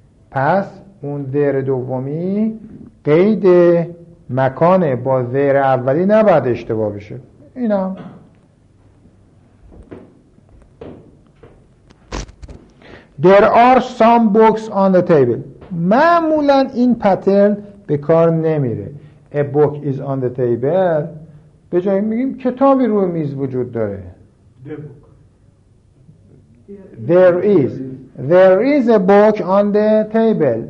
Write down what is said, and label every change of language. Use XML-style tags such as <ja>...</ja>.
<fa>پس اون there دومی قید مکان با there اولی نباید اشتباه بشه.</fa> <en>اینا there are some books on the table.</en> <fa>معمولا این پترن به کار نمیره.</fa> <en>A book is on the table.</en> <fa>به جای میگیم کتابی روی میز وجود داره.</fa> <en>There is a book on the table.</en>